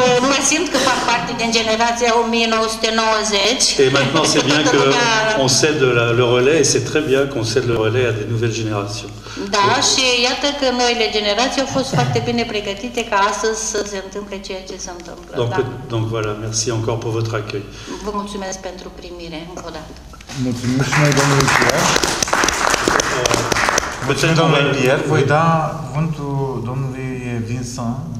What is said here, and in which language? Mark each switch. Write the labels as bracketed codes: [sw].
[ro] Mă simt că fac parte din generația 1990. [fr] Et maintenant c'est bien que on cède le relais et c'est très bien qu'on cède le relais à des nouvelles générations. [ro] Da, și iată că noile generații au fost foarte bine pregătite ca astăzi să se întâmple ceea ce se întâmplă. [fr] Donc voilà, merci encore pour votre accueil. [ro] Vă mulțumesc pentru primire, încă o dată. Mulțumesc și noi, domnule Pierre. Mulțumesc, domnule Pierre. Voi da cuvântul domnului Vincent.